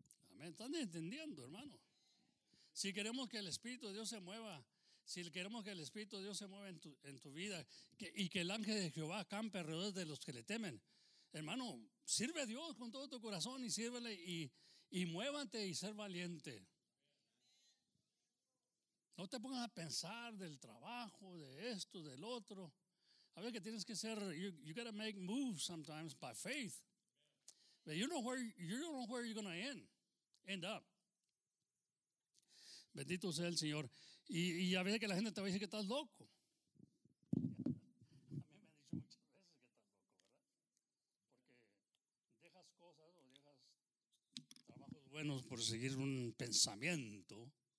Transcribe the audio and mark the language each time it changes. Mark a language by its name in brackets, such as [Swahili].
[Spanish] Amén. ¿Están entendiendo, hermano? Si queremos que el Espíritu de Dios se mueva, si queremos que el Espíritu de Dios se mueva en tu vida y que el ángel de Jehová acampe alrededor de los que le temen, hermano, sirve a Dios con todo tu corazón y sírvele y muévate y ser valiente. No te pongas a pensar del trabajo, de esto, del otro. A ver que tienes que ser, [English] you got to make moves sometimes by faith. But you don't know where you're going to end up. [Spanish] Bendito sea el Señor. Y a veces que la gente te va a decir que estás loco. A mí me han dicho muchas veces que estás loco, ¿verdad? Porque dejas cosas o dejas trabajos buenos por seguir un pensamiento